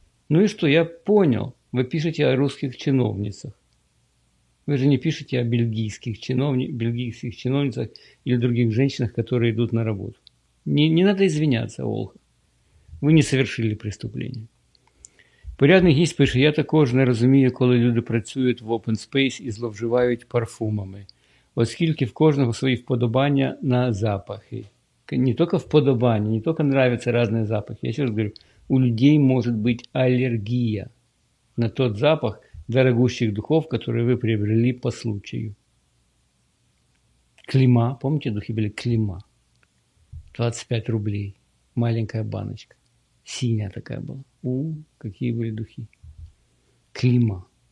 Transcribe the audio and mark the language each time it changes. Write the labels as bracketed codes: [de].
[ru] Ну и что, я понял, вы пишете о русских чиновницах. Вы же не пишете о бельгийских чиновницах или других женщинах, которые идут на работу. Не надо извиняться, Олга. Вы не совершили преступление. [uk] Порядний гість пише, я також не розумію, коли люди працюють в open space і зловживають парфумами, оскільки в кожного свої вподобання на запахи. Не тільки вподобання, не тільки нравятся різні запахи. Я ще раз [ru] говорю, у людей может быть аллергия на тот запах дорогущих духов, которые вы приобрели по случаю. Клима, помните, духи были Клима? 25 рублей, маленькая баночка, синяя такая была. Какие были духи. Клима.